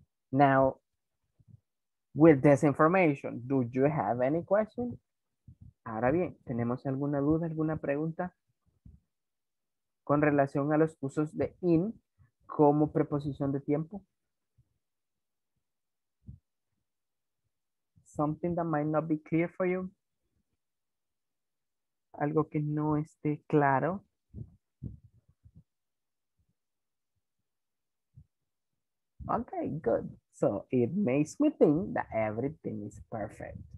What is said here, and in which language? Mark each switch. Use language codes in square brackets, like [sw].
[en] Now, with this information, do you have any question? [es] Ahora bien, ¿tenemos alguna duda, alguna pregunta? Con relación a los usos de in como preposición de tiempo. [en] Something that might not be clear for you. [es] Algo que no esté claro. [en] Okay, good. So it makes me think that everything is perfect.